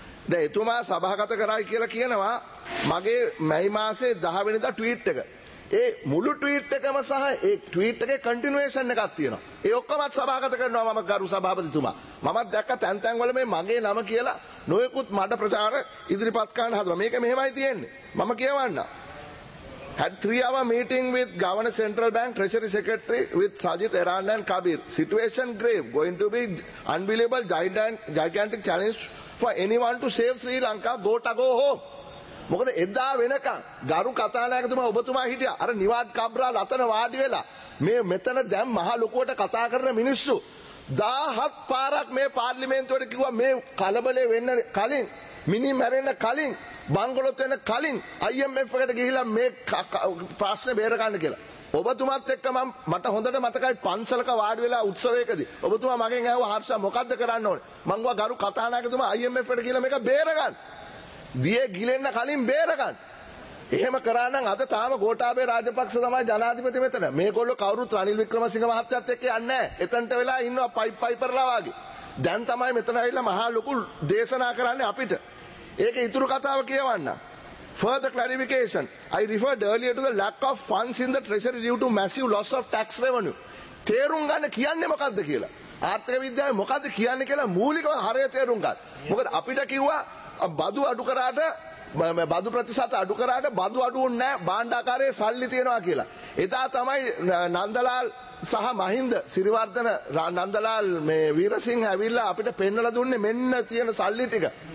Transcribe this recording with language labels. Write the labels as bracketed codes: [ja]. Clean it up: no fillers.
[si] දැන් එතුමා සභාගත කරයි කියලා කියනවා මගේ මැයි මාසේ 10 වෙනිදා ට්වීට් එක. ඒ මුළු ට්වීට් එකම සහ ඒ ට්වීට් එකේ කන්ටිනියුේෂන් එකක් තියෙනවා. ඒ ඔක්කොමත් සභාගත කරනවා මම ගරු සභාපතිතුමා. මමත් දැක්ක තැන් තැන් වල මේ මගේ නම කියලා නොයෙකුත් මඩ ප්‍රචාර ඉදිරිපත් කරන්න හදනවා. මේක මෙහෙමයි තියෙන්නේ. මම කියවන්න. [en] Had 3-hour meeting with Governor Central Bank, Treasury Secretary, with Sajith Erand and Kabir. Situation grave, going to be unbelievable, gigantic challenge for anyone to save Sri Lanka, go to go home. [si] මොකද එදා වෙනකන් ගරු කතානායකතුමා ඔබතුමා හිටියා. අර නිවාඩ් කබ්‍රාල් අතන වාඩි වෙලා මේ මෙතන දැන් මහ ලොකුවට කතා කරන මිනිස්සු 1000ක් පාරක් මේ පාර්ලිමේන්තුවට කිව්වා මේ කලබලේ වෙන්න කලින් මිනි මැරෙන්න කලින් බංගලොත් වෙන කලින් IMF එකට ගිහිලා මේ ප්‍රශ්න බේර ගන්න කියලා. ඔබතුමාත් එක්ක මම මට හොඳට මතකයි පන්සලක වාඩි වෙලා උත්සවයකදී ඔබතුමා මගෙන් ඇහුවා හර්ෂ මොකද්ද කරන්න ඕනේ. මං ගියා ගරු කතානායකතුමා IMF එකට කියලා මේක බේර ගන්න. දියේ ගිලෙන්න කලින් බේර ගන්න. එහෙම කරා නම් අද තාම ගෝඨාභය රාජපක්ෂ තමයි ජනාධිපති මෙතන. මේගොල්ලෝ කවුරුත් රනිල් වික්‍රමසිංහ මහත්තයත් එක්ක යන්නේ නැහැ. එතනට වෙලා ඉන්නවා පයිප් පයිපර්ලා වගේ. දැන් තමයි මෙතන ඇවිල්ලා මහා ලොකු දේශනා කරන්නේ අපිට. ඒක ඉතුරු කතාව කියවන්න. [en] Further clarification. I referred earlier to the lack of funds in the treasury due to massive loss of tax revenue. [si] තේරුම් ගන්න කියන්නේ මොකද්ද කියලා. ආර්ථික විද්‍යාවේ මොකද්ද කියන්නේ කියලා මූලිකව හරය තේරුම් ගන්න. මොකද අපිට කිව්වා බදු අඩු කරාට බදු ප්‍රතිශත අඩු කරාට බදු අඩුවුන්නේ නැහැ භාණ්ඩාකාරයේ සල්ලි තියනවා කියලා. එදා තමයි නන්දලාල් සහ මහින්ද සිරිවර්ධන නන්දලාල් මේ වීරසිංහ ඇවිල්ලා අපිට පෙන්වලා දුන්නේ මෙන්න තියෙන සල්ලි ටික.